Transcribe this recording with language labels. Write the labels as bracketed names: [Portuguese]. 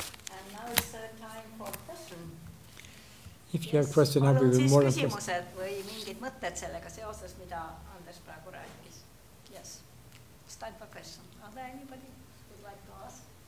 [English] And now it's time for question. If you have a question, I'll be more than happy. [Estonian] Yes, küsimused või mingid mõtted sellega seoses, mida Anders praegu rääkis. [English] Yes, it's time for question. Are there anybody who would like to ask?